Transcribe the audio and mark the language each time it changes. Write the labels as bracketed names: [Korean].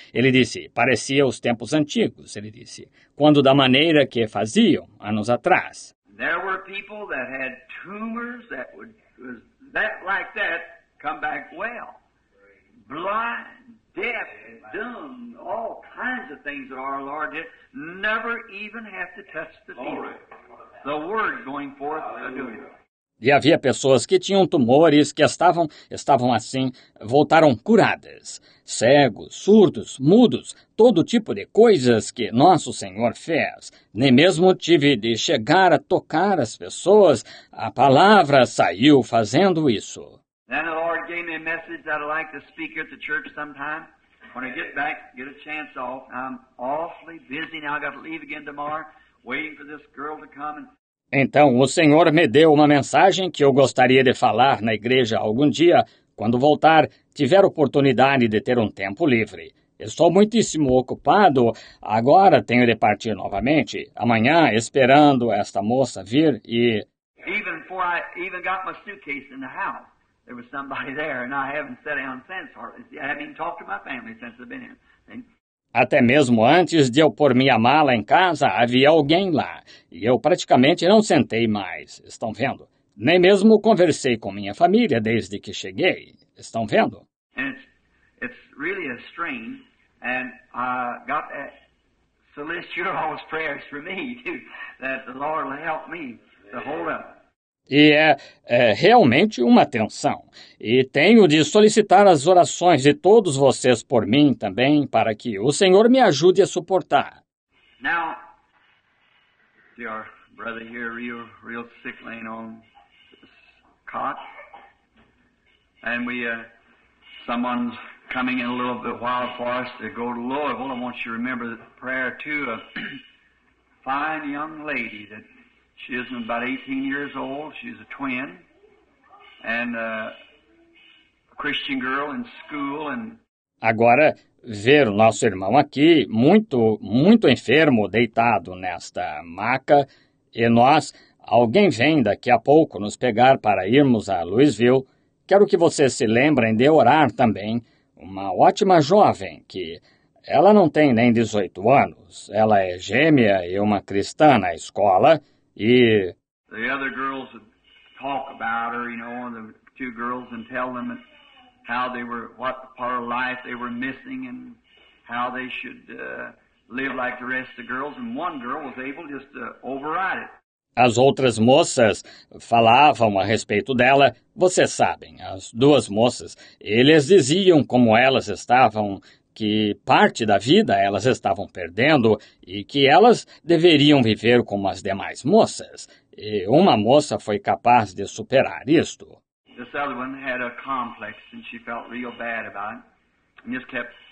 [Portuguese] Ele disse, parecia os tempos antigos, ele disse, quando da maneira que faziam, anos atrás. [English] There were people that had tumors that would, was that like that, come back well. Blind, deaf, dumb, all kinds of things that our Lord did, never even have to touch the people. The word going forth, doing it. [Portuguese] E havia pessoas que tinham tumores, que estavam assim, voltaram curadas. Cegos, surdos, mudos, todo tipo de coisas que nosso Senhor fez. Nem mesmo tive de chegar a tocar as pessoas, a palavra saiu fazendo isso. [English] Then the Lord gave me a message that I'd like to speak at the church sometime. When I get back, get a chance off. I'm awfully busy now, I've got to leave again tomorrow, waiting for this girl to come and... [Portuguese] Então, o Senhor me deu uma mensagem que eu gostaria de falar na igreja algum dia, quando voltar, tiver oportunidade de ter um tempo livre. Estou muitíssimo ocupado, agora tenho de partir novamente, amanhã, esperando esta moça vir e... [English] Even before I even got my suitcase in the house, there was somebody there, and I haven't sat down since, hardly. I haven't even talked to my family since I've been here. [Portuguese] Até mesmo antes de eu pôr minha mala em casa, havia alguém lá, e eu praticamente não sentei mais, estão vendo? Nem mesmo conversei com minha família desde que cheguei, estão vendo? [English] It's really a strain, and I got to solicit your all's prayers for me, too, that the Lord will help me to hold up. [Portuguese] E é realmente uma tensão. E tenho de solicitar as orações de todos vocês por mim também, para que o Senhor me ajude a suportar. [English] Now, see our brother here real sick laying on cot. And someone's coming in a little bit while for us to go to Louisville. I want you to remember the prayer too, a fine young lady that... She is about 18 years old. She's a twin and a Christian girl in school. And [Portuguese] agora ver o nosso irmão aqui muito muito enfermo deitado nesta maca e nós alguém vem daqui a pouco nos pegar para irmos a Louisville. Quero que vocês se lembrem de orar também uma ótima jovem que ela não tem nem 18 anos. Ela é gêmea e uma cristã na escola. E [English] the other girls would talk about her, you know, the two girls and tell them how they were, what part of life they were missing and how they should live like the rest of the girls. And one girl was able just to override it. [Portuguese] As outras moças falavam a respeito dela, vocês sabem, as duas moças, eles diziam como elas estavam, que parte da vida elas estavam perdendo e que elas deveriam viver como as demais moças. E uma moça foi capaz de superar isto. [English] This other one had a complex and she felt real bad about it. And just kept